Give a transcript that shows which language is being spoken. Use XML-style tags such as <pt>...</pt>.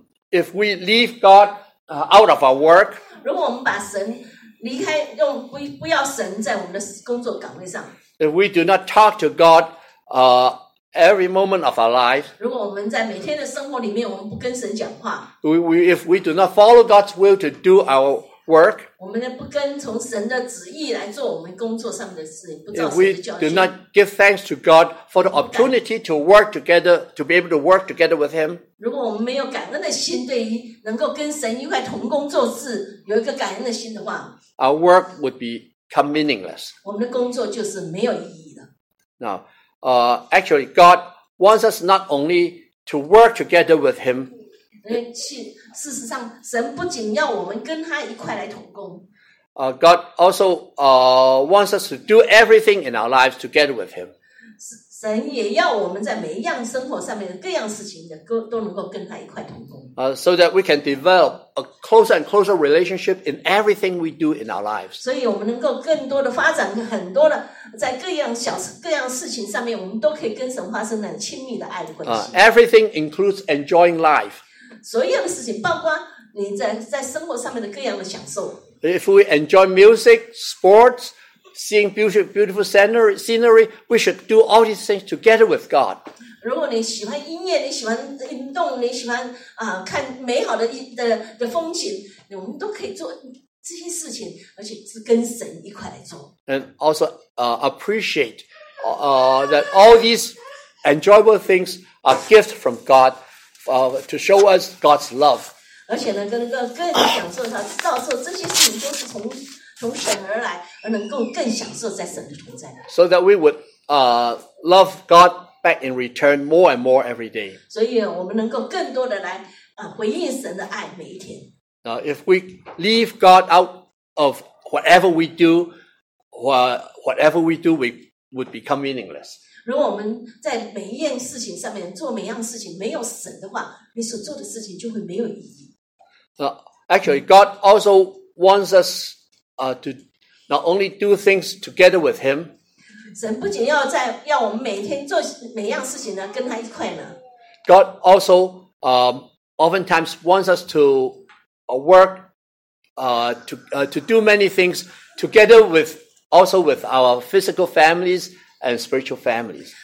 <en>If we leave God out of our work,</en> <zh>如果我们把神离开，用不要神在我们的工作岗位上。</zh> <en>If we do not talk to God every moment of our life,</en> <zh>如果我们在每天的生活里面，我们不跟神讲话。</zh> <en>If we do not follow God's will to do our work,</en> <zh>我们不跟从神的旨意来做我们工作上的事，不照神的教训。</zh> <en>We do not give thanks to God for the opportunity to work together, to be able to work together with Him.</en> <zh>如果我们没有感恩的心，对于能够跟神一块同工作事有一个感恩的心的话，</zh> <en>our work would become meaningless.</en> <zh>我们的工作就是没有意义的。</zh> <en>Now, actually, God wants us not only to work together with Him.</en> <zh>事实上神不仅要我们跟他一块来同工。</zh> <en>God also wants us to do everything in our lives together with him.</en> <zh>神也要我们在每一样生活上面的各样事情的都能够跟他一块同工。</zh> <en>So that we can develop a closer and closer relationship in everything we do in our lives.</en> <zh>所以我们能够更多的发展很多的在各样事情上面我们都可以跟神发生很亲密的爱的关系。</zh> <en>Everything includes enjoying life.</en> <zh>所有的事情，包括你在生活上面的各样的享受。</zh> <en>If we enjoy music, sports, seeing beautiful scenery, we should do all these things together with God.</en> <zh>如果你喜欢音乐，你喜欢运动，你喜欢看美好的风景，我们都可以做这些事情，而且是跟神一块来做。</zh> <en>And also appreciate that all these enjoyable things are gifts from God. To show us God's love.</en> <zh>而且呢，跟享受他，到时候这些事情都是从从神而来，而能够更享受在神的同在。</zh> <en>So that we would love God back in return more and more every day.</en> <zh>所以我们能够更多的来回应神的爱每一天。</zh> <en>Now, if we leave God out of whatever we do, whatever we do, we would become meaningless.</en> <zh>如果我们在每一件事情上面做每样事情没有神的话，你所做的事情就会没有意义。</zh> <en>So, actually, God also wants us to not only do things together with Him.</en> <zh>神不仅要在要我们每天做每样事情呢，跟他一块呢。</zh> <en>God also oftentimes wants us to work to do many things together with also with our physical families and spiritual families.</en>